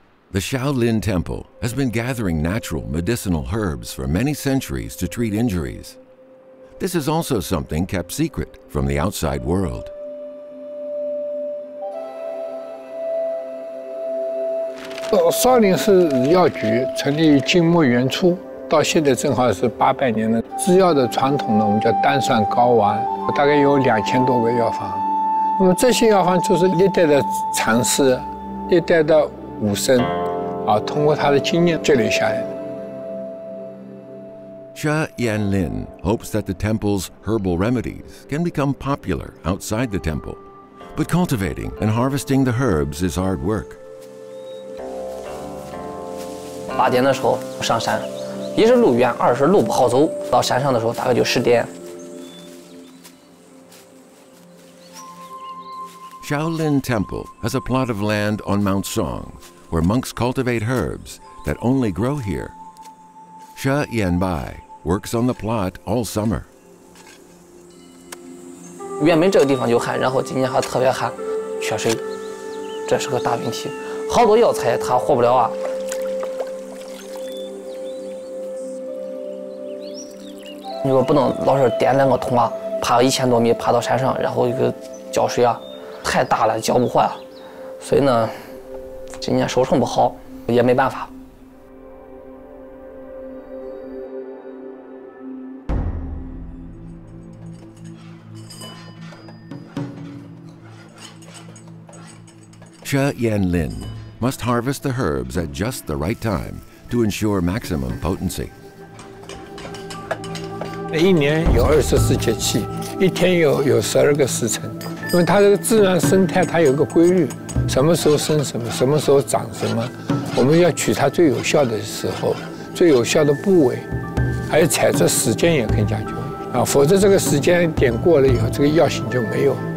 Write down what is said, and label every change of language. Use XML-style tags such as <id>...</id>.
<en>The Shaolin Temple has been gathering natural medicinal herbs for many centuries to treat injuries. This is also something kept secret from the outside world.</en> <zh>少林寺药局成立于清末元初，到现在正好是800年了。制药的传统呢，我们叫丹蒜膏丸，大概有2000多个药方。那么这些药方就是历代的禅师、历代的武僧，啊，通过他的经验积累下来的。</zh> <en>Xia Yanlin hopes that the temple's herbal remedies can become popular outside the temple, but cultivating and harvesting the herbs is hard work.</en> <zh>8点的时候上山，一是路远，二是路不好走。到山上的时候大概就10点。</zh> <en>Shaolin Temple has a plot of land on Mount Song, where monks cultivate herbs that only grow here. Sha Yanbai works on the plot all summer.</en> <zh>院门这个地方就旱，然后今年还特别旱，缺水，这是个大问题。好多药材它活不了啊。你说不能老是点两个桶啊，爬1000多米，爬到山上，然后一个浇水啊，太大了，浇不活啊。所以呢，今年收成不好，也没办法。</zh> <en>Xia Yanlin must harvest the herbs at just the right time to ensure maximum potency.</en> <zh>一年有24节气，一天有12个时辰，因为它这个自然生态它有个规律，什么时候生什么，什么时候长什么，我们要取它最有效的时候，最有效的部位，还有采摘时间也更加重要啊，否则这个时间点过了以后，这个药性就没有。</zh>